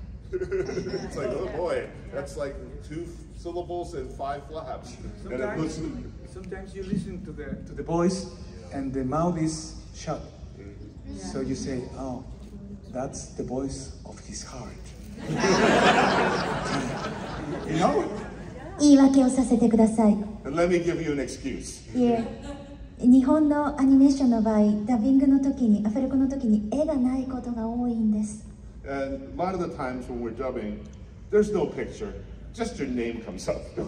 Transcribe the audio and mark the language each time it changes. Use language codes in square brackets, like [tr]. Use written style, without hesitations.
[en] It's like, oh boy, that's like two syllables and five flaps. Sometimes you listen to the voice, and the mouth is shut. Mm-hmm. Yeah. So you say, oh, that's the voice of his heart. You know? [ja] 言い訳をさせてください。 [en] Let me give you an excuse. Yeah. [ja] 日本のアニメーションの場合, ダビングの時に, アフレコの時に, 絵がないことが多いんです。 [en] And a lot of the times when we're dubbing, there's no picture, just your name comes up.